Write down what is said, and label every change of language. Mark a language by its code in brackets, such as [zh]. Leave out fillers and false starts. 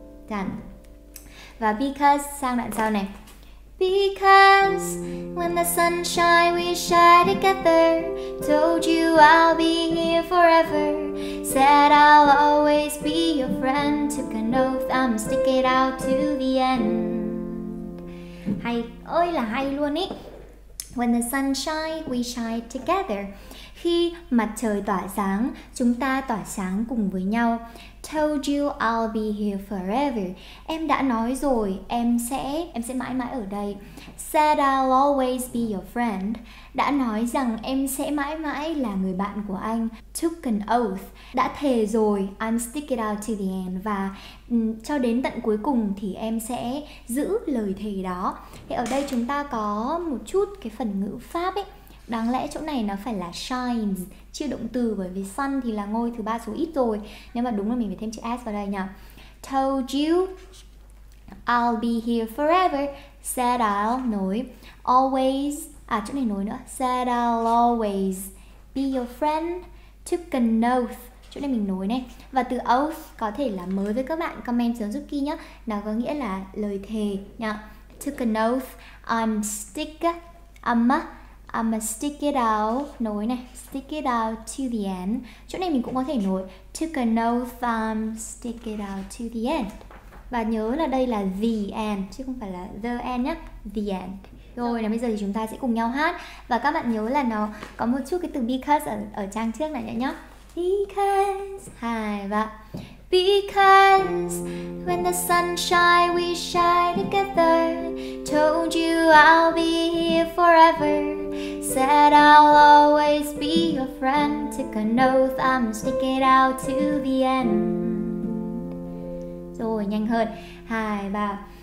[vi] Done. Và because sang đoạn sau này. [en] Because when the sunshine we shine together, told you I'll be here forever, said I'll always be your friend, took an oath I'm stick it out to the end. [vi] Hay ơi là hay luôn ý. [en] When the sunshine we shine together, [vi] khi mặt trời tỏa sáng, chúng ta tỏa sáng cùng với nhau. [en] Told you I'll be here forever. [vi] Em đã nói rồi, em sẽ mãi mãi ở đây. [en] Said I'll always be your friend. [vi] Đã nói rằng em sẽ mãi mãi là người bạn của anh. [en] Took an oath. [vi] Đã thề rồi, [en] I'm stick it out to the end. [vi] Và cho đến tận cuối cùng thì em sẽ giữ lời thề đó. Thì ở đây chúng ta có một chút cái phần ngữ pháp ấy. Đáng lẽ chỗ này nó phải là shines, chưa động từ, bởi vì sun thì là ngôi thứ ba số ít rồi. Nếu mà đúng là mình phải thêm chữ s vào đây nhỉ. [en] Told you I'll be here forever, said I'll, nói, always, [vi] à chỗ này nói nữa, [en] said I'll always be your friend, took an oath, [vi] chỗ này mình nói này. Và từ oath có thể là mới với các bạn, comment xuống giúp Ki nhé. Nó có nghĩa là lời thề nhỉ. [en] Took an oath, I'm stick, I'm a stick it out, [vi] nối này, [en] stick it out to the end. [vi] Chỗ này mình cũng có thể nối, [en] took an oath, stick it out to the end. [vi] Và nhớ là đây là the end, chứ không phải là the end nhá, the end. Rồi, nào bây giờ thì chúng ta sẽ cùng nhau hát. Và các bạn nhớ là nó có một chút cái từ because ở trang trước này nhá. Because, hai và. [en] Because when the sunshine we shine together, told you I'll be here forever, said I'll always be your friend, took an oath I'm stick it out to the end. [vi] Rồi nhanh hơn. Hai ba.